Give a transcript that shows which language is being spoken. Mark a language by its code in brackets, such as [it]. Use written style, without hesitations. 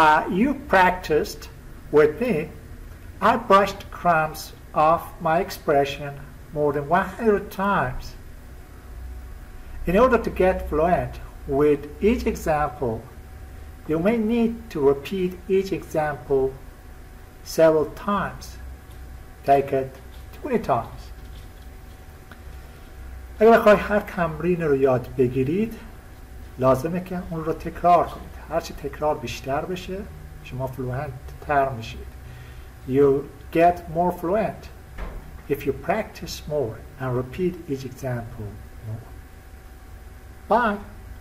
[en] You practiced with me. I brushed the crumbs off my expression more than 100 times. In order to get fluent with each example, you may need to repeat each example several times. Take it 20 times. [fa] اگر بخوای هر تمرین رو یاد بگیرید، لازمه که اون رو تکرار کنید. هرچی تکرار بیشتر بشه، شما فلوئنت تر میشید. [en] You get more fluent if you practice more and repeat each example more. Bye.